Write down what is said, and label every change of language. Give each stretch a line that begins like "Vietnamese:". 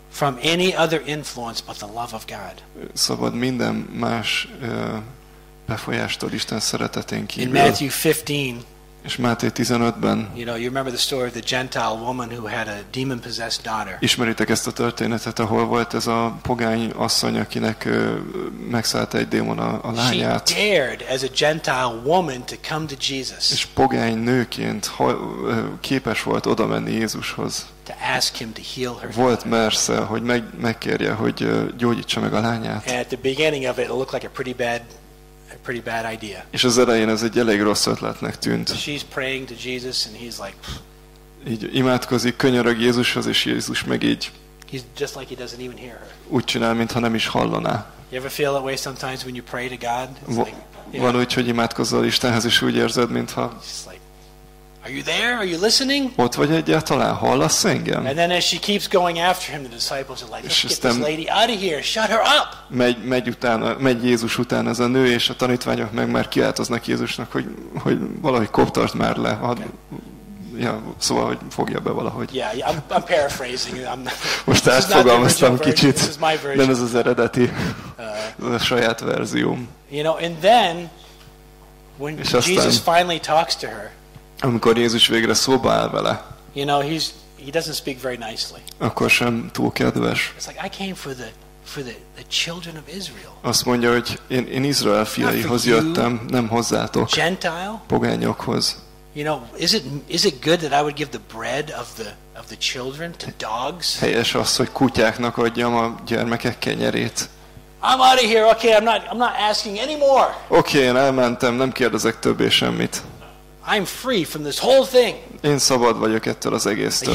English: From any other influence but the love of God.
Hungarian: Szabad minden más befolyástól Isten szeretetén kívül.
English: In Matthew 15.
Hungarian: És Máté 15-ben.
English: You know, you remember the story of the Gentile woman who had a demon-possessed daughter.
Hungarian: Ismeritek ezt a történetet, ahol volt ez a pogány asszony, akinek megszállta egy démon a lányát.
English: She dared as a Gentile woman to come to Jesus.
Hungarian: És pogány nőként képes volt oda menni Jézushoz.
English: To ask him to heal her.
Hungarian: Volt mersze, hogy megkérje, hogy gyógyítsa meg a lányát.
English: And at the beginning of it looked like a pretty bad idea.
Hungarian: És az elején ez egy elég rossz ötletnek tűnt.
English: She's praying to Jesus and he's like,
Hungarian: így imádkozik, könyörög Jézushoz, és Jézus meg így.
English: He's just like he doesn't even hear her.
Hungarian: Úgy csinál, mintha nem is hallaná.
English: You ever feel that way sometimes when you pray to God?
Hungarian: Van úgy, hogy imádkozol Istenhez, és úgy érzed, mintha.
English: Are you there? Are you listening?
Hungarian: Ott vagy egyáltalán? Hallasz engem?
English: And then as she keeps going after him, the disciples are like, let's get this lady out of here, shut her up!
Hungarian: Megy Jézus után ez a nő, és a tanítványok meg már kiáltoznak Jézusnak, hogy valahogy koptasd már le. Okay. Ja, szóval, hogy fogja be valahogy.
English: Yeah, I'm paraphrasing.
Hungarian: Most átfogalmaztam kicsit. Nem ez az eredeti. Ez a saját verzióm.
English: You know, and then, when Jesus finally talks to her,
Hungarian: amikor Jézus végre szóba áll vele.
English: You know, he doesn't speak very nicely.
Hungarian: Akkor sem túl kedves.
English: It's like I came for the children of Israel.
Hungarian: Azt mondja, hogy én Izrael fiaihoz jöttem, nem hozzátok.
English: Gentile?
Hungarian: Pogányokhoz.
English: You know, is it good that I would give the bread of the children to dogs?
Hungarian: Helyes az, hogy kutyáknak adjam a gyermekek kenyerét.
English: I'm out of here. Okay, I'm not asking anymore.
Hungarian: Okay, én elmentem, nem kérdezek többé semmit.
English: I'm free from this whole thing.
Hungarian: Én szabad vagyok ettől az egésztől.